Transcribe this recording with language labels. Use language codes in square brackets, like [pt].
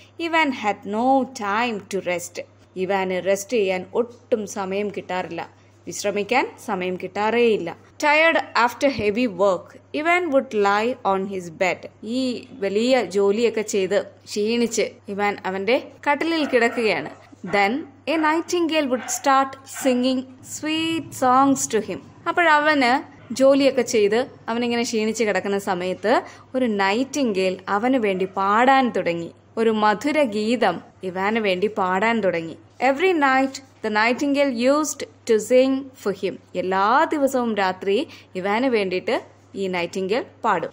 [en] Ivan had no time to rest. [ml] Ivan rest ചെയ്യാൻ ഒട്ടും സമയം കിട്ടാറില്ല, വിശ്രമിക്കാൻ സമയം കിട്ടാറേയില്ല. [en] Tired after heavy work, Ivan would lie on his bed. [ml] ഈ വലിയ ജോലിയൊക്കെ ചെയ്ത് ക്ഷീണിച്ച് ഇവാൻ അവന്റെ കട്ടിലിൽ കിടക്കുകയാണ്. [en] Then, a nightingale would start singing sweet songs to him. [ml] അപ്പോൾ അവന് ജോലിയൊക്കെ ചെയ്ത് അവനിങ്ങനെ ക്ഷീണിച്ച് കിടക്കുന്ന സമയത്ത് ഒരു നൈറ്റിംഗേൽ അവന് വേണ്ടി പാടാൻ തുടങ്ങി. ഒരു മധുര ഗീതം ഇവാന് വേണ്ടി പാടാൻ തുടങ്ങി. [en] Every night the nightingale used to sing for him. [ml] എല്ലാ ദിവസവും രാത്രി ഇവാന് വേണ്ടിയിട്ട് ഈ നൈറ്റിംഗേൽ പാടും.